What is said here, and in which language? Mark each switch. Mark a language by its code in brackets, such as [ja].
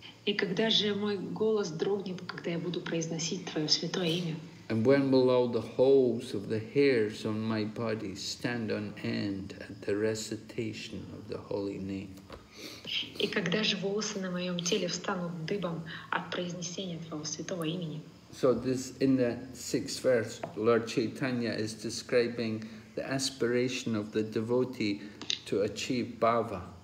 [ru] И когда же мой голос дрогнет, когда я буду произносить твое святое имя? [en] And when will all the holes of the hairs on my body stand on end at the recitation of the holy name? [ru] И когда же волосы на моем теле встанут дыбом от произнесения твоего святого имени? [en] So this, in the sixth verse, Lord Chaitanya is describing the aspiration of the devotee to achieve bhava.